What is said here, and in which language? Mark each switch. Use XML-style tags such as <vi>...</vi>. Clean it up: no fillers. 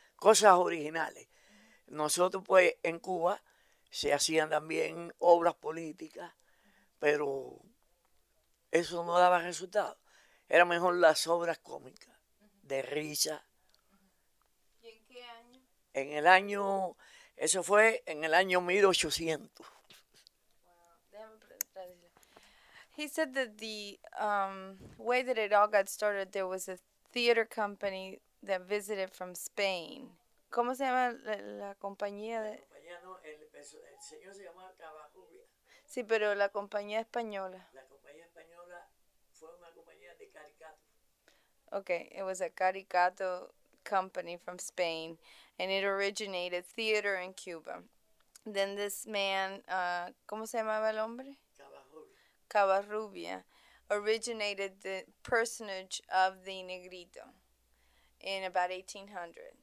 <es>Cosas originales. Nosotros, pues, en Cuba se hacían también obras políticas, pero eso no daba resultado. Eran mejor las obras cómicas, de risa. ¿Año? En el año, eso fue en el año 1800. Déjame preguntar.</es> <en>He said that the way that it all got started, there was a theater company that visited from Spain.</en> <es>¿Cómo se llama la compañía La de? compañía no, el señor se llamaba Covarrubias. Sí, pero la compañía española. La compañía española fue una compañía de caricatos.</es> <en>Okay, it was a caricato company from Spain, and it originated theater in Cuba. Then this man,</en> <es>¿cómo se llamaba el hombre?</es> <en>Covarrubias, originated the personage of the Negrito in about 1800.</en>